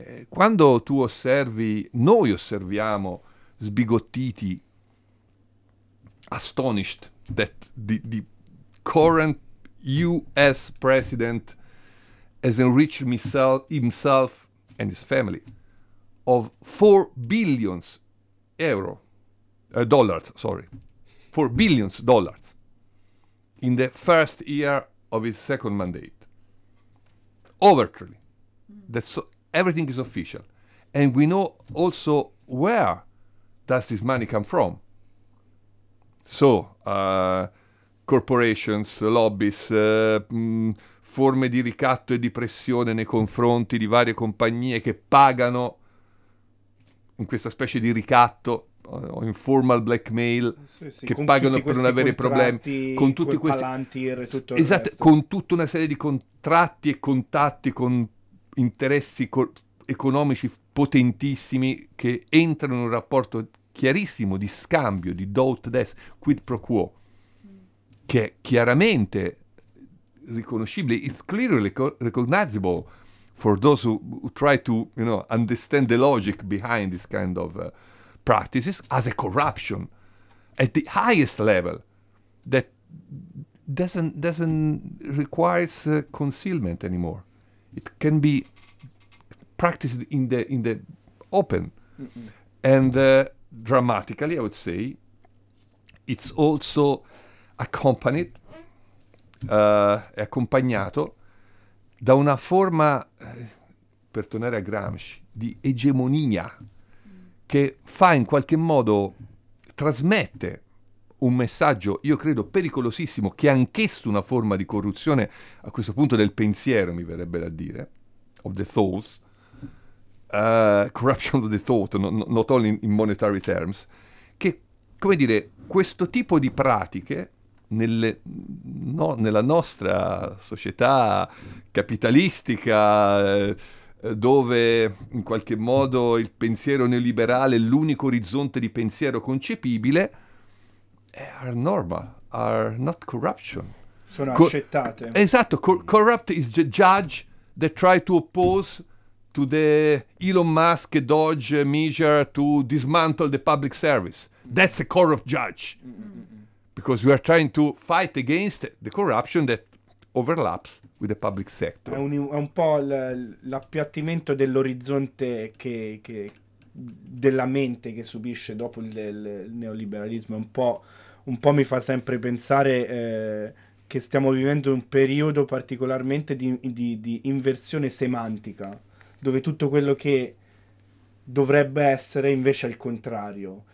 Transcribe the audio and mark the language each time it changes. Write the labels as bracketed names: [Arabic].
[Italian] Quando tu osservi, noi osserviamo sbigottiti, [English] astonished that the current US president has enriched himself and his family of 4 billions euro, dollars, sorry, 4 billions dollars in the first year of his second mandate. Overtly. Everything is official. And we know also where does this money come from. So, corporations, lobbies, [Italian] forme di ricatto e di pressione nei confronti di varie compagnie che pagano in questa specie di ricatto o [English] informal blackmail, [Italian] che pagano per non avere problemi. Con tutti questi contratti, con tutta una serie di contratti e contatti con interessi economici potentissimi che entrano in un rapporto chiarissimo di scambio, di dot des, quid pro quo, che è chiaramente riconoscibile. [English] It's clearly recognizable for those who try to understand the logic behind this kind of practices as a corruption at the highest level that doesn't requires concealment anymore. It can be practiced in the open. Mm-mm. And dramatically, I would say, it's also accompanied, [Italian] è accompagnato da una forma, per tornare a Gramsci, di egemonia che fa in qualche modo, trasmette un messaggio, io credo, pericolosissimo, che è anch'esso una forma di corruzione, a questo punto del pensiero, mi verrebbe da dire, [English] of the thought, corruption of the thought, not only in monetary terms, [Italian] che, come dire, questo tipo di pratiche nella nostra società capitalistica, dove in qualche modo il pensiero neoliberale è l'unico orizzonte di pensiero concepibile, [English] are normal, are not corruption. [Italian] Sono accettate. Esatto, [English] corrupt is the judge that try to oppose to the Elon Musk, Dodge, measure to dismantle the public service. That's a corrupt judge. Because we are trying to fight against the corruption that overlaps with the public sector. [Italian] È un po' l'appiattimento dell'orizzonte che della mente che subisce dopo il neoliberalismo. Un po' mi fa sempre pensare che stiamo vivendo un periodo particolarmente di inversione semantica, dove tutto quello che dovrebbe essere invece è il contrario.